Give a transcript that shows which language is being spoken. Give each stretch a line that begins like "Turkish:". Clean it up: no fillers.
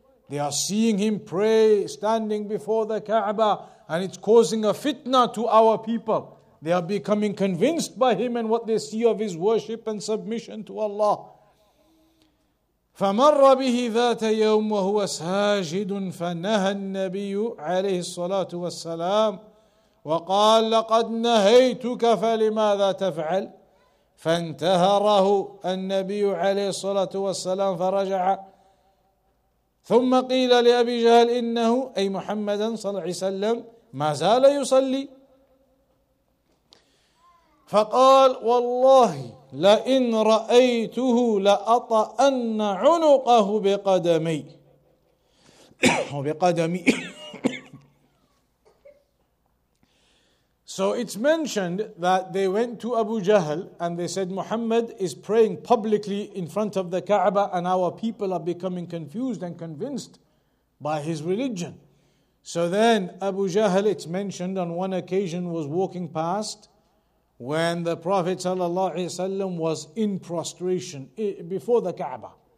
English: They are seeing him pray, standing before the Kaaba, and it's causing a fitna to our people. They are becoming convinced by him and what they see of his worship and submission to Allah.
Arabic: فَمَرَّ بِهِ ذَاتَ يَوْمٍ وَهُوَ سَاجِدٌ فَنَهَى النَّبِيُّ عَلَيْهِ الصَّلَاةُ وَالسَّلَامُ وقال لقد نهيتك فلماذا تفعل فانتهره النبي عليه الصلاة والسلام فرجع ثم قيل لأبي جهل إنه أي محمدا صلى الله عليه وسلم ما زال يصلي فقال والله لئن رأيته لأطأن عنقه بقدمي وبقدمي.
English: So it's mentioned that they went to Abu Jahl and they said, Muhammad is praying publicly in front of the Kaaba and our people are becoming confused and convinced by his religion. So then Abu Jahl, it's mentioned, on one occasion was walking past when the Prophet ﷺ was in prostration before the Kaaba.